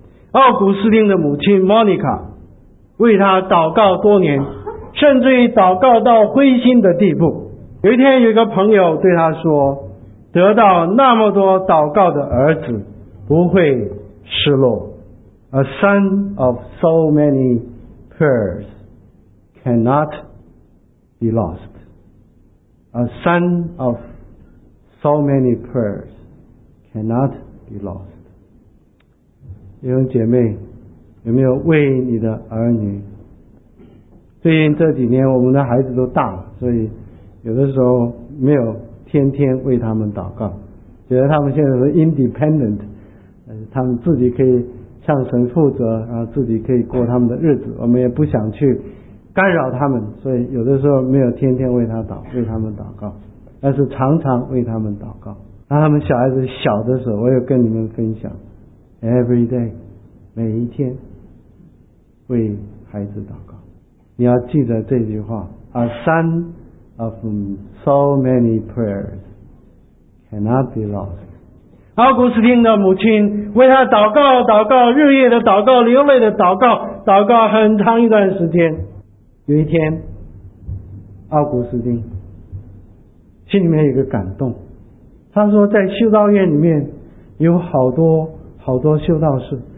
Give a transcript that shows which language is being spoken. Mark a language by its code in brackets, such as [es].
[zh] 奥古斯丁的母亲莫妮卡为他祷告多年，甚至于祷告到灰心的地步。有一天有一个朋友对他说，得到那么多祷告的儿子不会失落。 [en] A son of so many prayers cannot be lost. A son of so many prayers cannot be lost. [zh] 弟兄姐妹，有没有为你的儿女？最近这几年我们的孩子都大了，所以有的时候没有天天为他们祷告，觉得他们现在是 independent， 他们自己可以向神负责，然后自己可以过他们的日子，我们也不想去干扰他们，所以有的时候没有天天为他们祷告，但是常常为他们祷告。然后他们小孩子小的时候，我有跟你们分享 [en] every day， [zh] 每一天为孩子祷告。你要记得这句话， [en] A son of so many prayers cannot be lost。 [zh] 奥古斯丁的母亲为他祷告，祷告，日夜的祷告，流泪的祷告，祷告很长一段时间。有一天，奥古斯丁心里面有个感动，他说在修道院里面有好多好多修道士，